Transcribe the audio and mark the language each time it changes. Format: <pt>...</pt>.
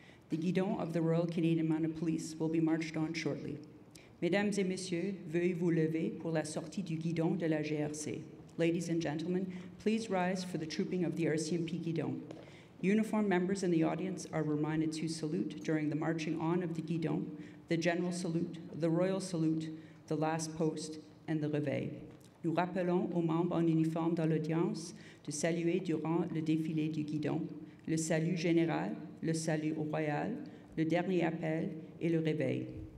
<en>The guidon of the Royal Canadian Mounted Police will be marched on shortly.</en> <fr>Mesdames et messieurs, veuillez vous lever pour la sortie du guidon de la GRC.</fr> <en>Ladies and gentlemen, please rise for the trooping of the RCMP guidon. Uniformed members in the audience are reminded to salute during the marching on of the guidon, the general salute, the royal salute, the last post, and the réveil.</en> <fr>Nous rappelons aux membres en uniforme dans l'audience de saluer durant le défilé du guidon, le salut général, le salut au royal, le dernier appel et le réveil.</fr>